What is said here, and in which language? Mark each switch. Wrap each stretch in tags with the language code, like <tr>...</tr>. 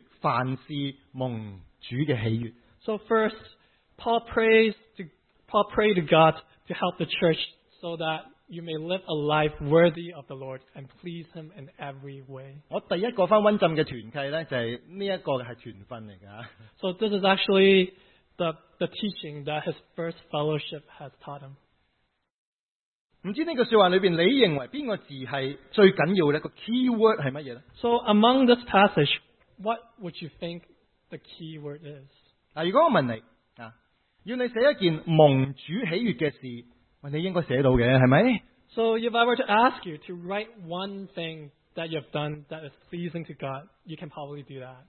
<zh>首先保罗求神帮助教会可以做到的就是行事为人对得起主,凡事蒙主的喜悦。</zh> <en>So first, Paul prayed to God to help the church so that you may live a life worthy of the Lord and please Him in every way. So this is actually the teaching that his first fellowship has taught him.</en> <zh>不知道这个说话里面,你认为哪个字是最重要的? Key word是什么?</zh> <en>So among this passage, what would you think the key word is?</en> <zh>如果我问你, 要你写一件蒙主喜悦的事,你应该写到的,是吗?</zh> <en>So if I were to ask you to write one thing that you've done that is pleasing to God, you can probably do that.</en>